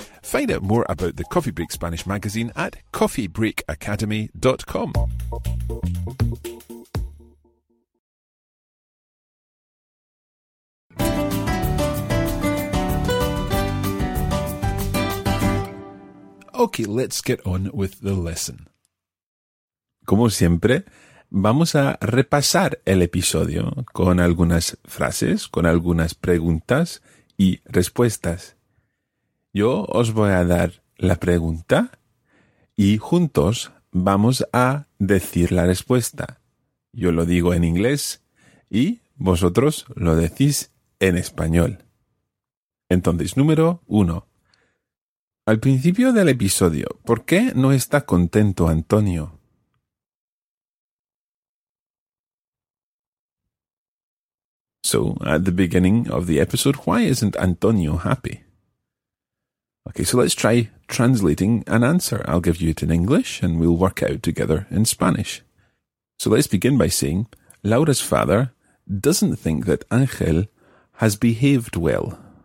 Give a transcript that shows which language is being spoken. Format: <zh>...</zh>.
<en>Find out more about the Coffee Break Spanish magazine at coffeebreakacademy.com. Okay, let's get on with the lesson.</en> <es>Como siempre, vamos a repasar el episodio con algunas frases, con algunas preguntas y respuestas. Yo os voy a dar la pregunta y juntos vamos a decir la respuesta. Yo lo digo en inglés y vosotros lo decís en español. Entonces, número uno. Al principio del episodio, ¿por qué no está contento Antonio?</es> <en>So, at the beginning of the episode, why isn't Antonio happy? Okay, so let's try translating an answer. I'll give you it in English and we'll work it out together in Spanish. So let's begin by saying, Laura's father doesn't think that Ángel has behaved well.</en>